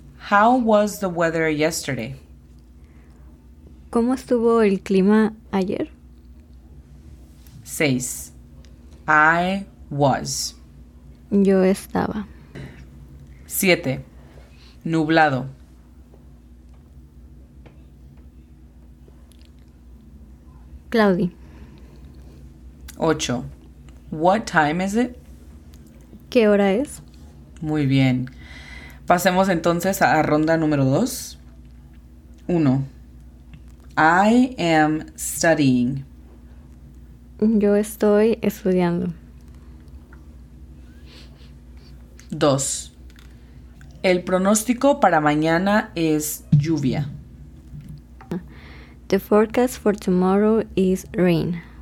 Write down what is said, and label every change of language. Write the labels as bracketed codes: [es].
[en] How was the weather yesterday? [es] ¿Cómo estuvo el clima ayer? [en] 6. I was. [es] Yo estaba. 7. Nublado. [en] Cloudy. 8. What time is it? [es] ¿Qué hora es? Muy bien. Pasemos entonces a ronda número 2. [en] 1. I am studying. [es] Yo estoy estudiando. 2. El pronóstico para mañana es lluvia. [en] The forecast for tomorrow is rain.